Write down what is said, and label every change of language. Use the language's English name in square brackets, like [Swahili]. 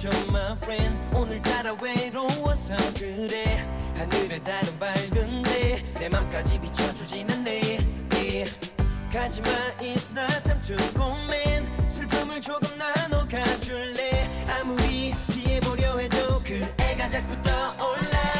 [English] My friend, [Korean] 오늘따라 외로워서 그래. 하늘의 달은 밝은데 내 맘까지 비춰주진 않네. [English] Yeah. [Korean] 가지마, [English] it's not time to go, man. [Korean] 슬픔을 조금 나눠가줄래. 아무리 피해보려 해도 그 애가 자꾸 떠올라.